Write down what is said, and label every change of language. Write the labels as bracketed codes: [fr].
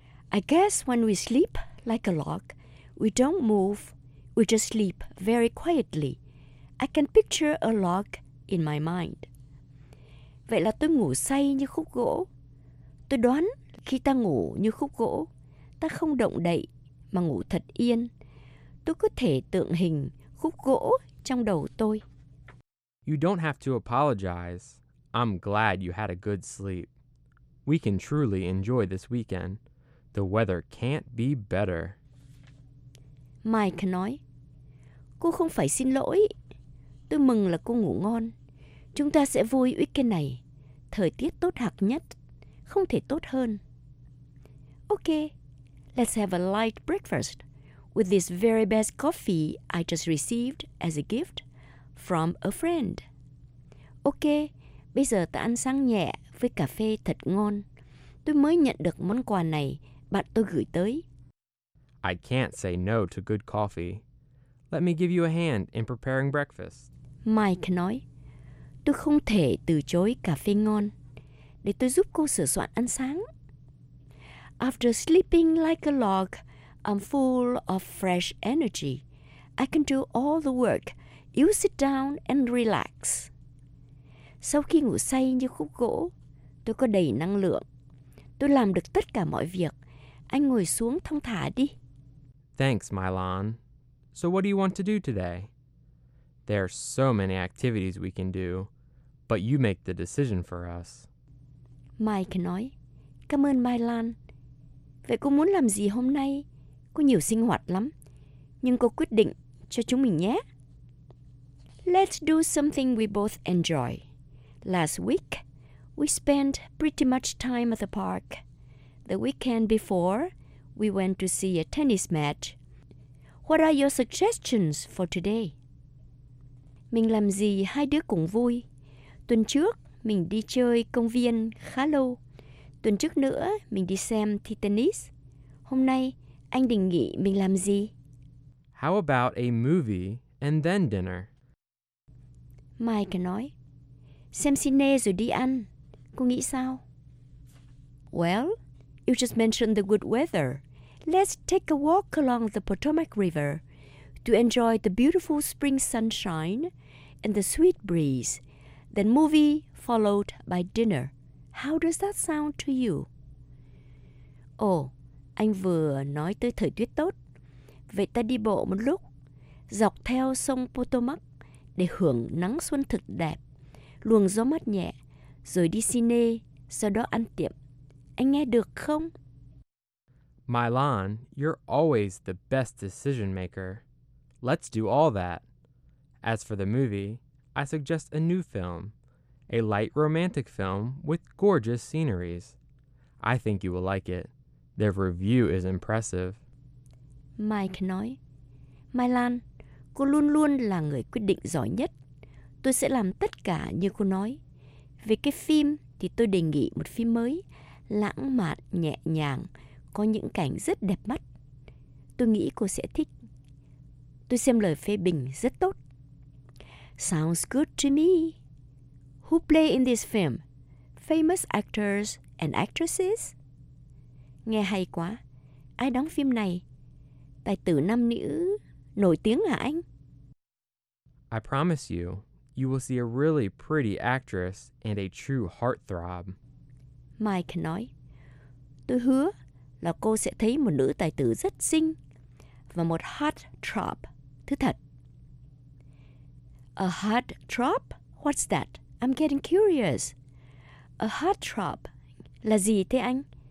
[en] I guess when we sleep like a log, we don't move. We just sleep very quietly. I can picture a log in my mind. [vi] Vậy là tôi ngủ say như khúc gỗ. Tôi đoán khi ta ngủ như khúc gỗ, ta không động đậy mà ngủ thật yên. Tôi có thể tượng hình khúc gỗ trong đầu tôi. [en] You don't have to apologize. I'm glad you had a good sleep. We can truly enjoy this weekend. The weather can't be better. [vi] Mike nói, cô không phải xin lỗi. Tôi mừng là cô ngủ ngon. Chúng ta sẽ vui weekend này. Thời tiết tốt hạc nhất, không thể tốt hơn. [en] Ok, let's have a light breakfast with this very best coffee I just received as a gift from a friend. [vi] Ok, bây giờ ta ăn sáng nhẹ với cà phê thật ngon. Tôi mới nhận được món quà này bạn tôi gửi tới. [en] I can't say no to good coffee. Let me give you a hand in preparing breakfast. [vi] Mike nói, tôi không thể từ chối cà phê ngon. Để tôi giúp cô sửa soạn ăn sáng. [en] After sleeping like a log, I'm full of fresh energy. I can do all the work. You sit down and relax. [vi] Sau khi ngủ say như khúc gỗ, tôi có đầy năng lượng. Tôi làm được tất cả mọi việc. Anh ngồi xuống thong thả đi. [en] Thanks, Mylon. So what do you want to do today? There are so many activities we can do, but you make the decision for us. [vi] Mike nói, cảm ơn Mylon. Vậy cô muốn làm gì hôm nay? Có nhiều sinh hoạt lắm. Nhưng cô quyết định cho chúng mình nhé. [en] Let's do something we both enjoy. Last week, we spent pretty much time at the park. The weekend before, we went to see a tennis match. What are your suggestions for today? [vi] Mình làm gì hai đứa cũng vui. Tuần trước, mình đi chơi công viên khá lâu. Tuần trước nữa, mình đi xem thi tennis. Hôm nay, anh định nghĩ mình làm gì? [en] How about a movie and then dinner? [vi] Mike nói, xem cine rồi đi ăn. Cô nghĩ sao? [en] Well, you just mentioned the good weather. Let's take a walk along the Potomac River to enjoy the beautiful spring sunshine and the sweet breeze. Then movie followed by dinner. How does that sound to you? [vi] Oh, anh vừa nói tới thời tiết tốt. Vậy ta đi bộ một lúc, dọc theo sông Potomac để hưởng nắng xuân thật đẹp, luồng gió mát nhẹ, rồi đi cine, sau đó ăn tiệm. Anh nghe được không? [en] Mylon, you're always the best decision maker. Let's do all that. As for the movie, I suggest a new film. A light romantic film with gorgeous sceneries. I think you will like it. Their review is impressive. [vi] Mike nói, Mylon, cô luôn luôn là người quyết định giỏi nhất. Tôi sẽ làm tất cả như cô nói. Về cái phim thì tôi đề nghị một phim mới, lãng mạn, nhẹ nhàng, có những cảnh rất đẹp mắt. Tôi nghĩ cô sẽ thích. Tôi xem lời phê bình rất tốt. [en] Sounds good to me. Who play in this film? Famous actors and actresses? [vi] Nghe hay quá. Ai đóng phim này? Tài tử nam nữ nổi tiếng hả anh? [en] I promise you, you will see a really pretty actress and a true heartthrob. [vi] Mike nói, tôi hứa là cô sẽ thấy một nữ tài tử rất xinh và một heartthrob, thứ thật. [en] A heartthrob? What's that? I'm getting curious. [vi] A heartthrob là gì thế anh?